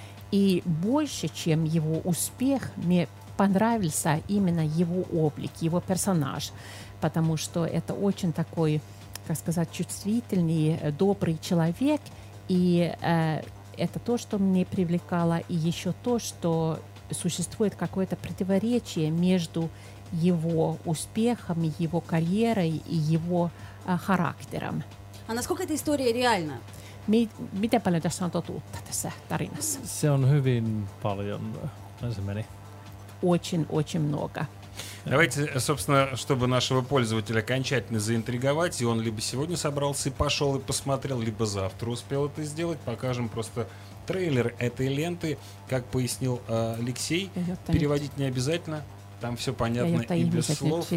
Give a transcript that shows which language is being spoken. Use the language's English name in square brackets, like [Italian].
[Russian] И больше, чем его успех, мне понравился именно его облик, его персонаж, потому что это очень такой, как сказать, чувствительный, добрый человек, и это то, что мне привлекало, и еще то, что существует какое-то противоречие между его успехом, его карьерой и его характером. А насколько эта история реальна? [Finnish] Miten paljon tässä on totuutta tässä tarinassa? Se on hyvin paljon, näin se meni. [Russian] Очень-очень много. Давайте, собственно, чтобы нашего пользователя окончательно заинтриговать, и он либо сегодня собрался и пошел и посмотрел, либо завтра успел это сделать, покажем просто трейлер этой ленты. Как пояснил Алексей, переводить не обязательно, там все понятно и без слов.